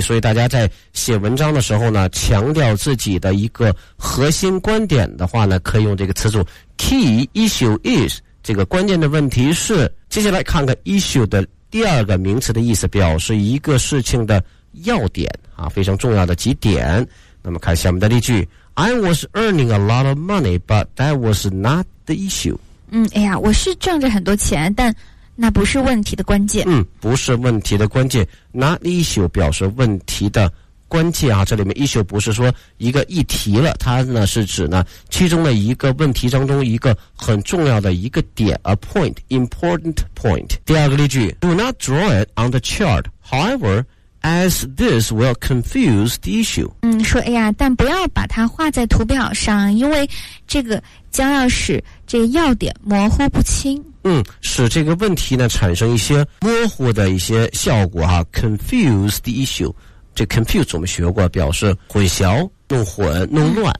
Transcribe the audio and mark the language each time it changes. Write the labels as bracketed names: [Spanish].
[Chinese] 所以大家在写文章的时候呢强调自己的一个核心观点的话呢可以用这个词组 [English] key issue is， [Chinese] 这个关键的问题是。接下来看看 issue 的第二个名词的意思，表示一个事情的要点啊，非常重要的几点。那么看下面的例句， [English] I was earning a lot of money but that was not the issue。 [Chinese] 哎呀，我是挣着很多钱但那不是问题的关键。不是问题的关键。 [English] not the issue [Chinese] 表示问题的关键啊，这里面 issue 不是说一个议题了，它呢是指呢其中的一个问题当中一个很重要的一个点， [English] a point， important point。 [Chinese] 第二个例句， [English] Do not draw it on the chart however as this will confuse the issue。 [Chinese] 说哎呀，但不要把它画在图表上，因为这个将要使这个要点模糊不清。使这个问题呢产生一些模糊的一些效果啊， [English] confuse the issue。 [Chinese] 这 confuse 我们学过，表示混淆、弄混、弄乱。